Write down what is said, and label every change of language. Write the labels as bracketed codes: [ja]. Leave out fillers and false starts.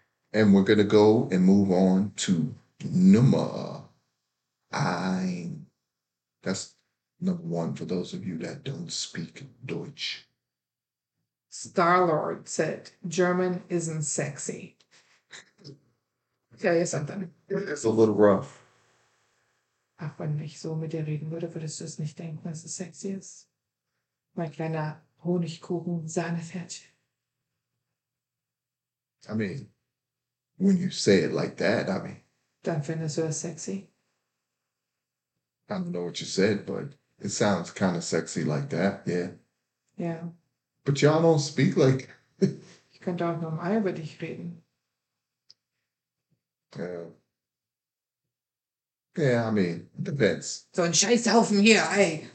[en] And we're going to go and move on to number ein. That's number one for those of you that don't speak Deutsch. Star-Lord said, German isn't sexy. Tell you something. It's a little rough. [de] Ach, wenn ich so mit dir reden würde, würdest du es nicht denken, dass es sexy ist? Mein kleiner Honigkuchen-Sahnepferdchen. [en] I mean... When you say it like that, I mean... [de] Dann findest du es sexy? [en] I don't know what you said, but it sounds kind of sexy like that, yeah. Yeah. But y'all don't speak like... [de] Ich könnte auch normal über dich reden. [en] Yeah, I mean, it depends. [de] So ein Scheißhaufen hier, ey!